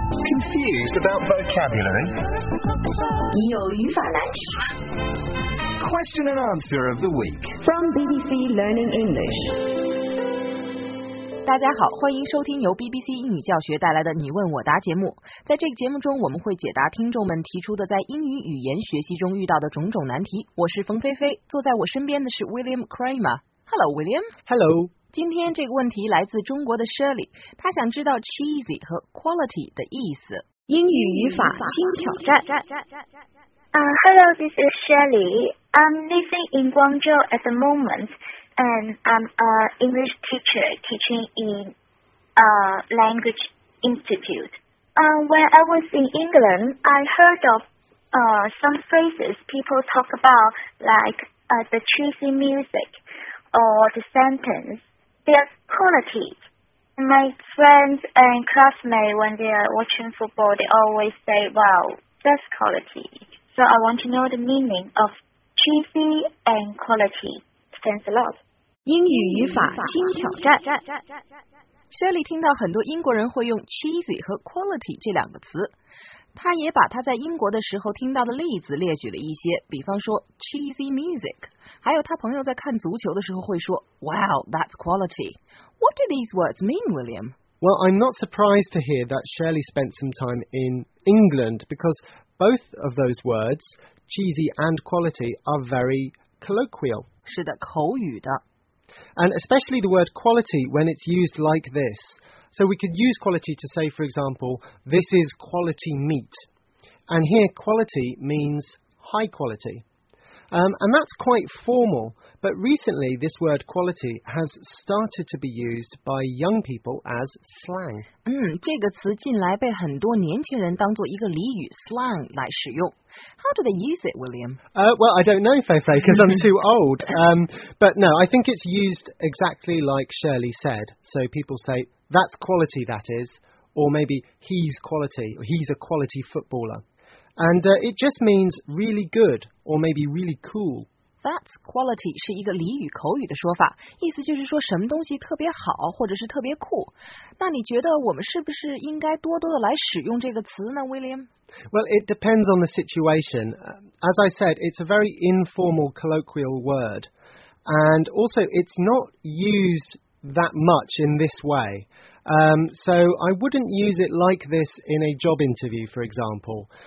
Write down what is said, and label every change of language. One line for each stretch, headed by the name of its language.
English: confused about vocabulary?
Chinese: 有语法难题吗?
English: Question and answer of the week from BBC Learning English.
Chinese: 大家好，欢迎收听由 BBC 英语教学带来的你问我答节目。在这个节目中，我们会解答听众们提出的在英语语言学习中遇到的种种难题。我是冯菲菲，坐在我身边的是 William Kramer。
English: Hello, William. Hello.
Chinese: 今天这个问题来自中国的 Shirley， 她想知道 cheesy 和 quality 的意思。英语语法新挑战。
English: Hello, this is Shirley. I'm living in Guangzhou at the moment. And I'm an English teacher teaching in a language institute. When I was in England, I heard of some phrases people talk about, like the cheesy music or the sentence. Their quality. My friends and classmates, when they are watching football, they always say, wow, that's quality. So I want to know the meaning of cheesy and quality. Thanks a lot.
Chinese: 英语语法新挑战。 Shirley 听到很多英国人会用 cheesy 和 quality 这两个词，他也把他在英国的时候听到的例子列举了一些，比方说 cheesy music， 还有他朋友在看足球的时候会说
English: wow that's quality。 What do these words mean, William? Well, I'm not surprised to hear that Shirley spent some time in England, because both of those words, cheesy and quality, are very colloquial.
Chinese: 是的，口语的。
English: And especially the word quality when it's used like this. So we could use quality to say, for example, this is quality meat. And here quality means high quality. And that's quite formal. But recently this word quality has started to be used by young people as slang.
Chinese: 这个词近来被很多年轻人当作一个俚语 slang 来使用。
English: How do they use it, William? Well, I don't know, Feifei, because I'm too old. But no, I think it's used exactly like Shirley said. So people say, that's quality, that is. Or maybe, he's quality, or he's a quality footballer. And it just means really good, or maybe really cool. That's quality
Chinese: 是一个俚语口语的说法，意思就是说什么东西特别好或者是特别酷。那你觉得我们是不是应该多多的来使用这个词呢 ，William?
English: Well, it depends on the situation. As I said, it's a very informal colloquial word. And also, it's not used that much in this way. So I wouldn't use it like this in a job interview, for example.